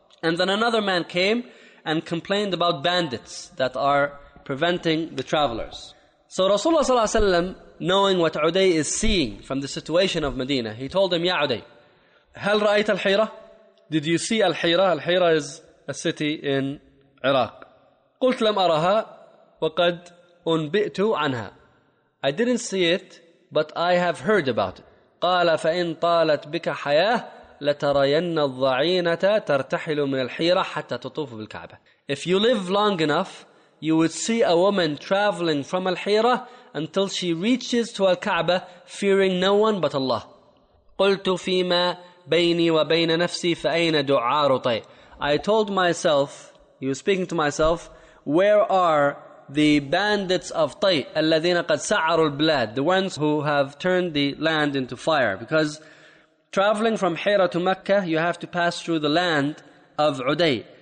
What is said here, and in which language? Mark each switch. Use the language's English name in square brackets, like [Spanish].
[English] And then another man came and complained about bandits that are preventing the travelers. So Rasulullah ﷺ, knowing what Uday is seeing from the situation of Medina, he told him, Ya Uday, [Arabic] هل رأيت الحيرة? [English] Did you see الحيرة? الحيرة is a city in Iraq. [Arabic] قلت لم أرها وقد أنبئت عنها. [English] I didn't see it, but I have heard about it. [Arabic] قال فإن طالت بك حياة لترين الضعينة ترتحل من الحيرة حتى تطوف بالكعبة. [English] If you live long enough, you would see a woman traveling from al-Hira until she reaches to al-Kaaba, fearing no one but Allah. [Arabic] قلت فيما بيني وبين نفسي فأين دعاء رطي. [English] I told myself, he was speaking to myself, where are the bandits of Tay, [Arabic] الذين قد سعروا البلاد, [English] the ones who have turned the land into fire. Because traveling from Hira to Mecca, you have to pass through the land of Uday.